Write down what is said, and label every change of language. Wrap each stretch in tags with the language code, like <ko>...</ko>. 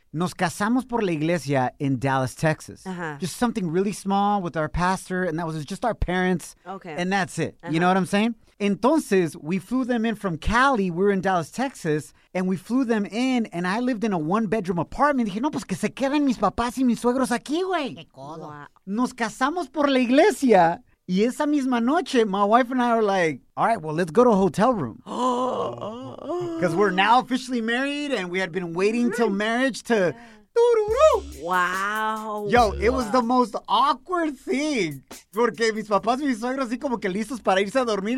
<es>Nos casamos por la iglesia in Dallas, Texas.</es> <en>Uh-huh. Just something really small with our pastor, and that was just our parents. Okay. And that's it. Uh-huh. You know what I'm saying? Entonces, we flew them in from Cali. We're in Dallas, Texas. And we flew them in, and I lived in a one-bedroom apartment.</en> <es>Dije, no, pues que se queden mis papás y mis suegros aquí, güey. Qué codo.</es> <en>Wow.</en> <es>Nos casamos por la iglesia. Y esa misma noche,</es> <en>my wife and I were like, all right, well, let's go to a hotel room. Because we're now officially married, and we had been waiting till marriage to... Wow. Yo, it was the most awkward thing.</en> <es>Porque mis papás y mis suegros así como que listos para irse a dormir.</es>